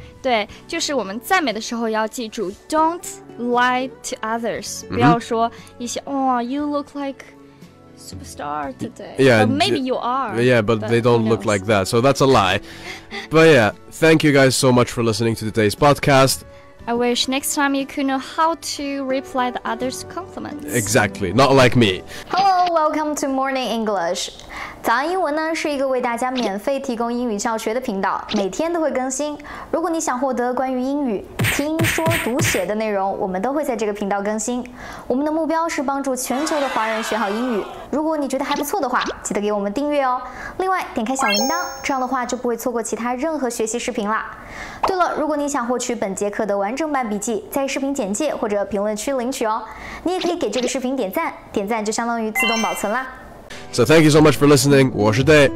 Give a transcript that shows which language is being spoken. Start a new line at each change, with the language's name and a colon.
Chinese: 对,就是我们赞美的时候要记住
English: Don't lie to others、mm-hmm.
Chinese: 不要说一些
English: Oh, you look likeSuperstar today. Yeah, or maybe you are. Yeah, but they don't look like that. So that's a lie. But yeah, thank you guys so much for listening to today's podcast. I wish next time you could know how to reply the other's compliments. Exactly. Not like me. Hello, welcome to Morning English.
Chinese: 早安英文呢是一个为大家免费提供英语教学的频道，每天都会更新。如果你想获得关于英语听说读写的内容，我们都会在这个频道更新。我们的目标是帮助全球的华人学好英语。如果你觉得还不错的话，记得给我们订阅哦。另外，点开小铃铛，这样的话就不会错过其他任何学习视频啦。对了，如果你想获取本节课的完整版笔记，在视频简介或者评论区领取哦。你也可以给这个视频点赞，点赞就相当于自动保存啦。
English: So thank you so much for listening.
Chinese: 我是 Day.